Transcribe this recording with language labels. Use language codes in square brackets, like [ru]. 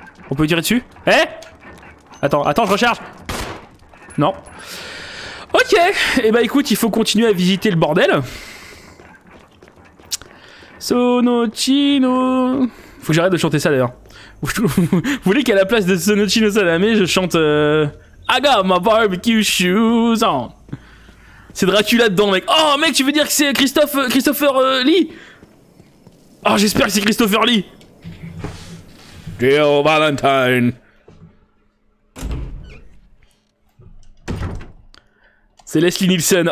[fr] On peut tirer dessus? Eh? Attends, je recharge! Non. Ok! Eh ben, écoute, il faut continuer à visiter le bordel. Sonochino... Faut que j'arrête de chanter ça, d'ailleurs. Vous voulez qu'à la place de Sonochino Salamé, je chante... [en] I got my barbecue shoes on! [fr] C'est Dracula dedans, mec. Oh, mec, tu veux dire que c'est Christopher Lee? Oh, j'espère que c'est Christopher Lee! [en] Dear Valentine! [fr] C'est Leslie Nielsen.